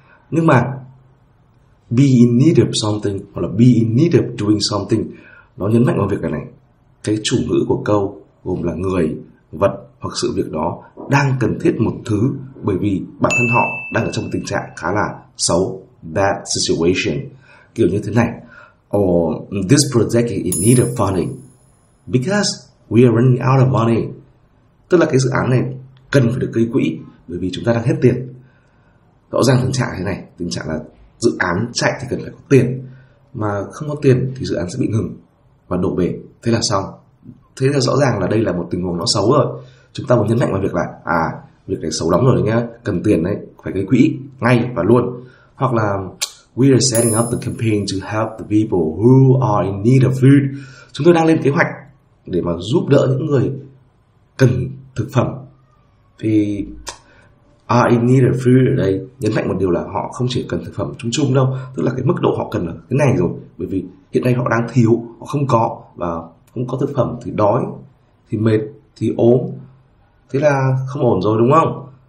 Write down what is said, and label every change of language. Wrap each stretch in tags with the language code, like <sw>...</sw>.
<vi>Nhưng mà</vi> <en>be in need of something</en> <vi>hoặc là</vi> <en>be in need of doing something,</en> <vi>nó nhấn mạnh vào việc này này, cái chủ ngữ của câu gồm là người, vật hoặc sự việc đó đang cần thiết một thứ bởi vì bản thân họ đang ở trong tình trạng khá là xấu,</vi> <en>bad situation.</en> <vi>Kiểu như thế này,</vi> <en>or this project is in need of funding because we are running out of money.</en> <vi>Tức là cái dự án này cần phải được gây quỹ bởi vì chúng ta đang hết tiền. Rõ ràng tình trạng thế này, tình trạng là dự án chạy thì cần phải có tiền, mà không có tiền thì dự án sẽ bị ngừng và đổ bể, thế là xong. Thế là rõ ràng là đây là một tình huống nó xấu rồi. Chúng ta muốn nhấn mạnh vào việc là à, việc này xấu lắm rồi đấy nhá, cần tiền đấy, phải gây quỹ ngay và luôn. Hoặc là</vi> <en>we are setting up the campaign to help the people who are in need of food.</en> <vi>Chúng tôi đang lên kế hoạch để mà giúp đỡ những người cần thực phẩm. Thì</vi> <en>are in need of food</en> <vi>ở đây nhấn mạnh một điều là họ không chỉ cần thực phẩm chung chung đâu, tức là cái mức độ họ cần là cái này rồi, bởi vì hiện nay họ đang thiếu, họ không có, và không có thực phẩm thì đói, thì mệt, thì ốm, thế là không ổn rồi đúng không?</vi>